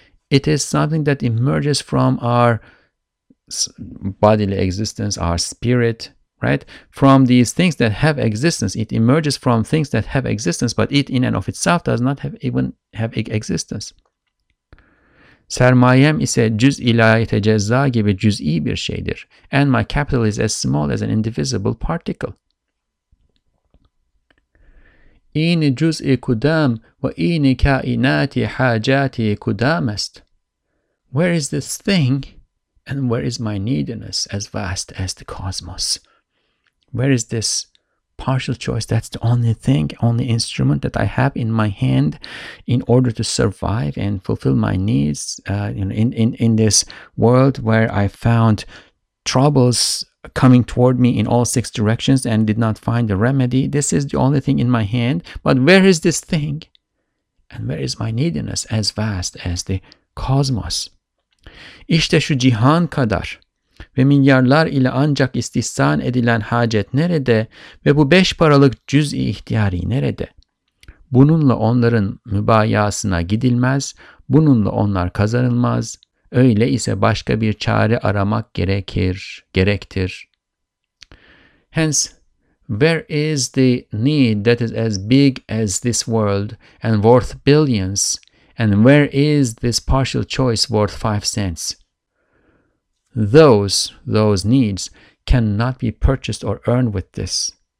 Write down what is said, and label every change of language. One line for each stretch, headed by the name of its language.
English: It is something that emerges from our bodily existence, our spirit, right? From these things that have existence, it emerges from things that have existence, but it in and of itself does not have even have existence.
Turkish: Sermayem ise cüz ilahi tecezza gibi cüz'i bir şeydir.
English: And my capital is as small as an indivisible particle.
Persian: İni cüz'i kudam ve ini kainati hajati kudam est.
English: Where is this thing and where is my neediness as vast as the cosmos? Where is this partial choice? That's the only thing, only instrument that I have in my hand in order to survive and fulfill my needs in this world where I found troubles coming toward me in all six directions and did not find a remedy. This is the only thing in my hand. But where is this thing? And where is my neediness as vast as the cosmos?
Turkish: İşte şu cihan kadar. Ve milyarlar ile ancak istihsan edilen hacet nerede ve bu beş paralık cüz-i ihtiyari nerede? Bununla onların mübayasına gidilmez, bununla onlar kazanılmaz. Öyle ise başka bir çare aramak gerektir.
English: Hence, where is the need that is as big as this world and worth billions? And where is this partial choice worth 5 cents? Those needs cannot be purchased or earned with this.